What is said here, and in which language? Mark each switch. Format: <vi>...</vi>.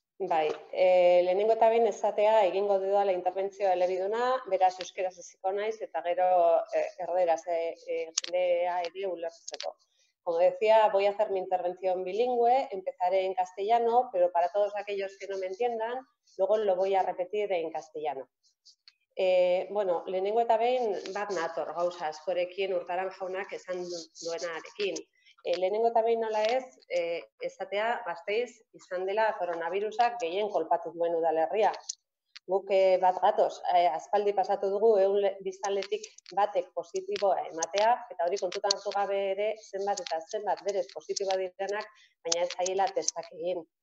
<eu>Bai, lehenengo eta behin esatea egingo dudala interbentzioa elebiduna, beraz euskeraz hasiko naiz eta gero erderaz jendea ere ulertzeko.</eu> <es>Como decía, voy a hacer mi intervención bilingüe, empezaré en castellano, pero para todos aquellos que no me entiendan, luego lo voy a repetir en castellano.</es> <eu>Bueno, lehenengo eta behin bat nator gauza askorekin Urtaran jaunak esan duenarekin. Lehenengo eta behin nola ez, esatea Gasteiz izan dela koronavirusak gehien kolpatu duen udalerria. Guk bat gatoz, aspaldi pasatu dugu ehun biztanletik batek positiboa ematea, eta hori kontutan hartu gabe ere zenbat eta zenbat berez positiboa direnak, baina ez zaiela testak egin.</eu>